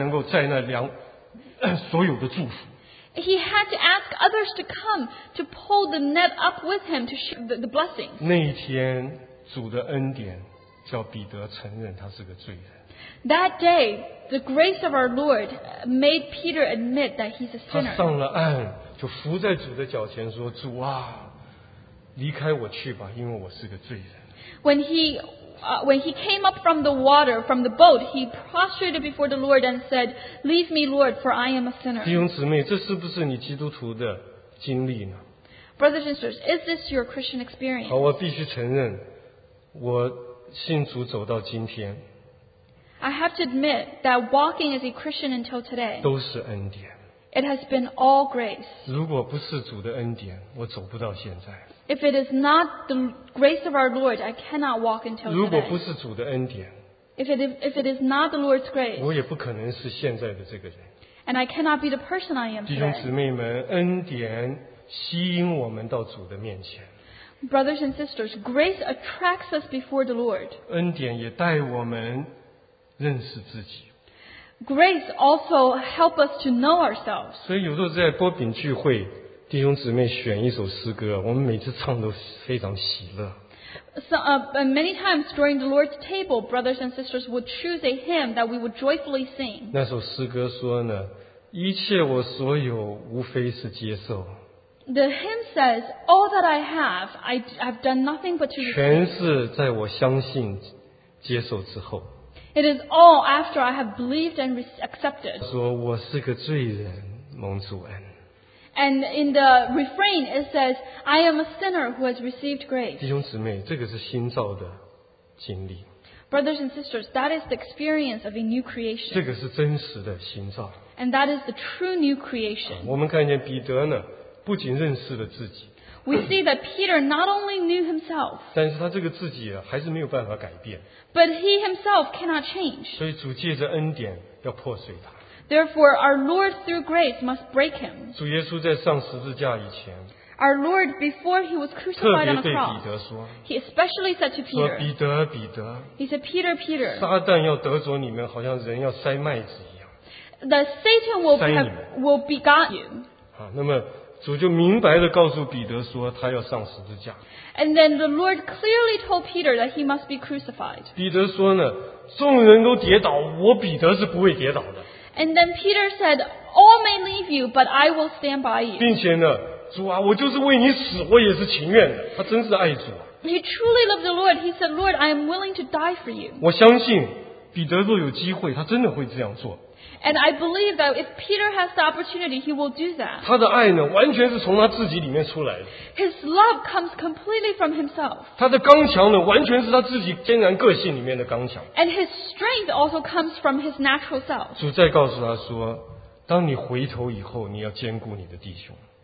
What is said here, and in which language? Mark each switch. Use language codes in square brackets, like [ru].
[zh] 他必须叫他们把船开来了，他们才能够载那两所有的祝福。 [en] He had to ask others to come to pull the net up with him to share the blessings. [zh] 那一天, 主的恩典, 叫彼得承认他是个罪人。 [en] That day, the grace of our Lord made Peter admit that he's a sinner. [zh] 他上了岸, 就伏在主的脚前说, 主啊, 离开我去吧, 因为我是个罪人。 [en] When he came up from the water, from the boat, he prostrated before the Lord and said, leave me, Lord, for I am a sinner. [zh] 弟兄姊妹, 这是不是你基督徒的经历呢? [en] Brothers and sisters, is this your Christian experience? [zh] 好, 我必须承认, 我信主走到今天, [en] I have to admit that walking as a Christian until today, [zh] 都是恩典。 [en] It has been all grace. [zh] 如果不是主的恩典, 我走不到现在。 [en] If it is not the grace of our Lord, I cannot walk until today. [zh] 如果不是主的恩典, [en] if it is not the Lord's grace, [zh] 我也不可能是现在的这个人。 [en] And I cannot be the person I am today. [zh] 弟兄姊妹们, 恩典吸引我们到主的面前。 [en] Brothers and sisters, grace attracts us before the Lord. [zh] 恩典也带我们认识自己。 [en] Grace also help us to know ourselves. [zh] 所以有时候在波饼聚会, 弟兄姊妹选一首诗歌, 我们每次唱都非常喜乐。 [en] Many times during the Lord's table, brothers and sisters would choose a hymn that we would joyfully sing. [zh] 那首诗歌说呢, 一切我所有无非是接受。 [en] The hymn says, all that I have, I have done nothing but to receive. [zh] 全是在我相信接受之后。 [en] It is all after I have believed and accepted. [zh] 说我是个罪人, 蒙主恩。 [en] And in the refrain, it says, I am a sinner who has received grace. [zh] 弟兄姊妹, 这个是新造的经历。 [en] Brothers and sisters, that is the experience of a new creation. [zh] 这个是真实的新造。 [en] And that is the true new creation. [zh] 我们看见彼得呢, 不仅认识了自己。 [en] We see that Peter not only knew himself, [zh] 但是他这个自己还是没有办法改变, [en] but he himself cannot change. [zh] 所以主借着恩典要破碎他。 [en] Therefore, our Lord through grace must break him. [zh] 主耶稣在上十字架以前, [en] our Lord before he was crucified [zh] 特别对彼得说, [en] on the cross, he especially said to Peter, [zh] 说彼得, 彼得, [en] he said, Peter, Peter, [zh] 撒旦要得着你们, 好像人要塞麦子一样, [en] that Satan will begot you. [zh] 那么, 主就明白地告诉彼得说他要上十字架。 [en] And then the Lord clearly told Peter that he must be crucified. [zh] 彼得说呢, 众人都跌倒, 我彼得是不会跌倒的。 [en] And then Peter said, all may leave you, but I will stand by you. [zh] 并且呢, 主啊, 我就是为你死, 我也是情愿的, 他真是爱主。 [en] He truly loved the Lord. He said, Lord, I am willing to die for you. [zh] 我相信彼得若有机会, 他真的会这样做。 [en] And I believe that if Peter has the opportunity, he will do that. [zh] 他的爱呢, 完全是从他自己里面出来的。 [en] His love comes completely from himself. [zh] 他的刚强呢, 完全是他自己天然个性里面的刚强。 [en] And his strength also comes from his natural self. [zh] 主再告诉他说, 当你回头以后, 你要兼顾你的弟兄。